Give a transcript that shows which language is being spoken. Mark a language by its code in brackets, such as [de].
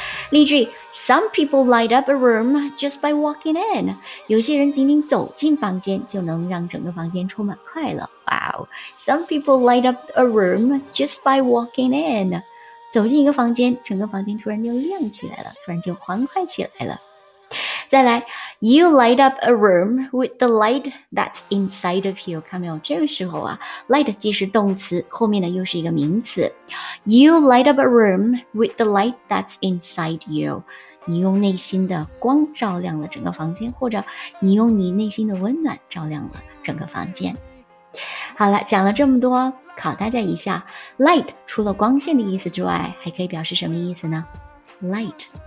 [en] 例句 ：Some people light up a room just by walking in。 [zh] 有些人仅仅走进房间就能让整个房间充满快乐。 [en] Wow， some people light up a room just by walking in。 [zh] 走进一个房间，整个房间突然就亮起来了，突然就欢快起来了。 [en] 再来 ，You light up a room with the light that's inside of you。 [zh] 看没有，这个时候啊 ，light 既是动词，后面呢又是一个名词。 [en] You light up a room with the light that's inside you。 [zh] 你用内心的光照亮了整个房间，或者你用你内心的温暖照亮了整个房间。好了，讲了这么多，考大家一下 ，light 除了光线的意思之外，还可以表示什么意思呢 ？light。